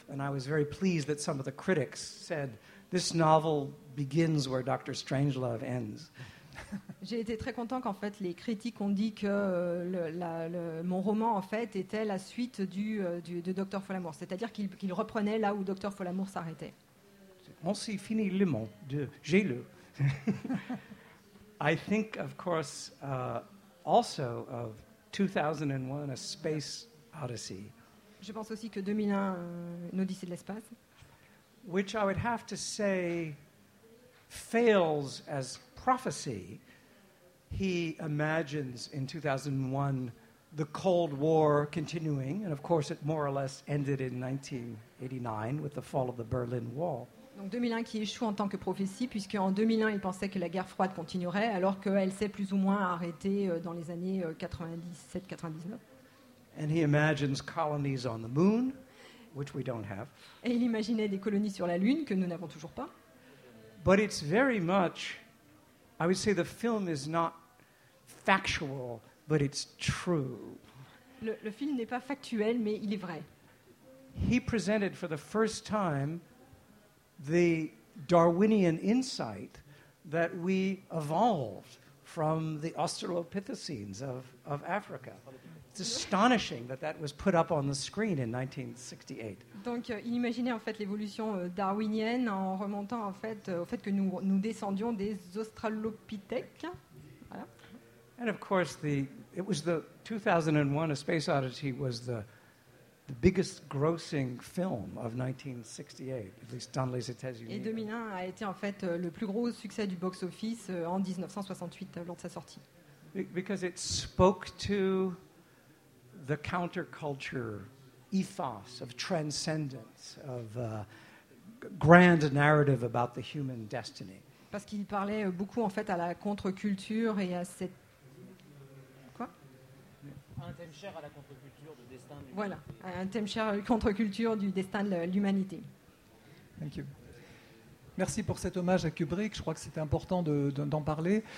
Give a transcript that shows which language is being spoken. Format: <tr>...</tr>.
<en>And I was very pleased that some of the critics said, this novel begins where Dr. Strangelove ends.</en> <fr>J'ai été très content qu'en fait les critiques ont dit que mon roman en fait était la suite de Dr. Follamour, c'est-à-dire qu'il reprenait là où Dr. Follamour s'arrêtait. On s'est fini le monde de j'ai lu.</fr> <en>I think of course also of 2001 A Space Odyssey.</en> <fr>Je pense aussi que 2001 une Odyssée de l'espace.</fr> <en>Which I would have to say fails as prophecy. He imagines in 2001 the Cold War continuing, and of course it more or less ended in 1989 with the fall of the Berlin Wall.</en> <fr>Donc 2001 qui échoue en tant que prophétie, puisque en 2001 il pensait que la guerre froide continuerait, alors qu'elle s'est plus ou moins arrêtée dans les années 97-99.</fr> <en>And he imagines colonies on the moon, which we don't have.</en> <fr>Et il imaginait des colonies sur la Lune que nous n'avons toujours pas.</fr> <en>But it's very much, I would say the film is not factual, but it's true.</en> <fr>Le film n'est pas factuel, mais il est vrai.</fr> <en>He presented for the first time the Darwinian insight that we evolved from the Australopithecines of Africa. It's astonishing that that was put up on the screen in 1968.</en> <fr>Donc, il imaginait en fait l'évolution darwinienne en remontant en fait au fait que nous descendions des Australopithèques. Voilà.</fr> <en>And of course, it was the 2001 A Space Odyssey was the biggest grossing film of 1968, at least</en> <fr>dans les États-Unis. Et 2001 a été en fait le plus gros succès du box-office en 1968 lors de sa sortie.</fr> <en>Because it spoke to the counterculture ethos of transcendence, of grand narrative about the human destiny.</en> <fr>Parce qu'il parlait beaucoup en fait à la contre-culture et à cette quoi? Un thème cher à la contre-culture du destin de l'humanité. Voilà, un thème cher à la contre-culture du destin de l'humanité.</fr> <en>Thank you.</en> <fr>Merci pour cet hommage à Kubrick. Je crois que c'était important d'en parler.</fr>